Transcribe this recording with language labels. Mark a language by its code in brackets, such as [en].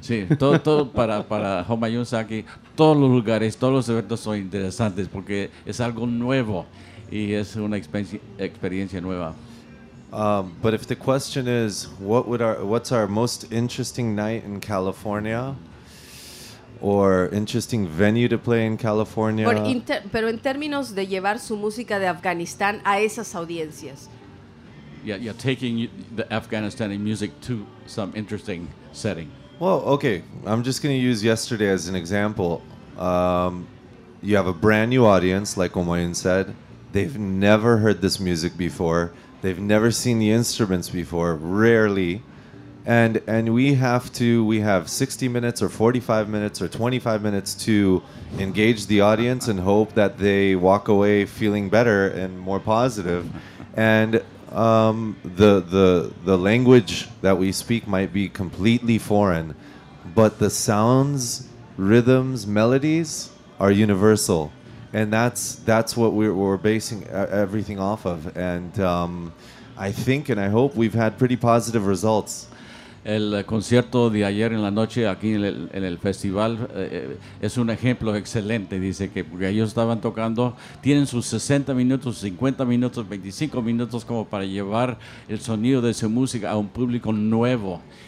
[es] Sí, todo para Homayun Saki, todos los lugares, todos los eventos son interesantes porque es algo nuevo y es una experiencia nueva. [en] But if the question is, what's our most interesting night in California? Or interesting venue to play in California. [es] Pero en términos de llevar su música de Afganistán a esas audiencias. [en] Yeah, taking the Afghanistani music to some interesting setting. Well, okay, I'm just going to use yesterday as an example. You have a brand new audience, like Omoyun said. They've never heard this music before. They've never seen the instruments before, rarely. And we have to, we have 60 minutes or 45 minutes or 25 minutes to engage the audience and hope that they walk away feeling better and more positive. And the language that we speak might be completely foreign, but the sounds, rhythms, melodies are universal. And that's what we're basing everything off of. And I think and I hope we've had pretty positive results. [es] El concierto de ayer en la noche aquí en el festival es un ejemplo excelente, dice que porque ellos estaban tocando, tienen sus 60 minutos, 50 minutos, 25 minutos como para llevar el sonido de su música a un público nuevo.